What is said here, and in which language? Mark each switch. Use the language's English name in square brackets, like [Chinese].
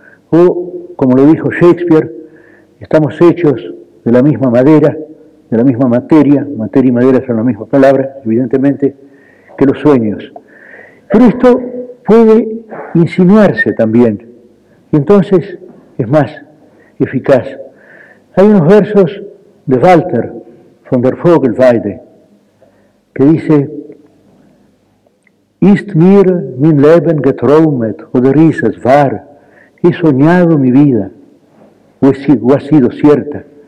[Spanish] O, como lo dijo Shakespeare, estamos hechos de la misma madera, de la misma materia, materia y madera son la misma palabra, evidentemente, que los sueños. Pero esto puede insinuarse también, y entonces es más eficaz. Hay unos versos de Walter von der Vogelweide que dice: [German] ist mir mein Leben geträumet oder ist es wahr? [Spanish] He soñado mi vida, o ha sido cierta.